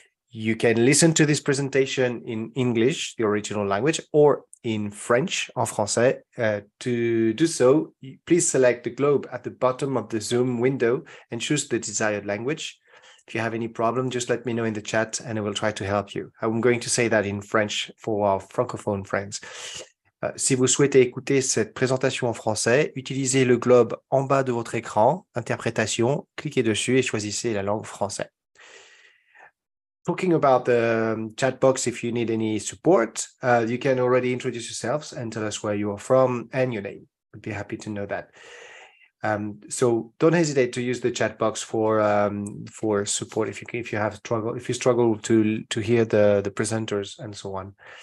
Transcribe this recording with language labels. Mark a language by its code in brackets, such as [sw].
[en] You can listen to this presentation in English, the original language, or in French, [fr] en français. [en] To do so, please select the globe at the bottom of the Zoom window and choose the desired language. If you have any problem, just let me know in the chat and I will try to help you. I'm going to say that in French for our francophone friends. [fr] Si vous souhaitez écouter cette présentation en français, utilisez le globe en bas de votre écran, interprétation, cliquez dessus et choisissez la langue française. [en] Talking about the chat box, if you need any support, you can already introduce yourselves and tell us where you are from and your name. We'd be happy to know that. So don't hesitate to use the chat box for support if you struggle to hear the presenters and so on.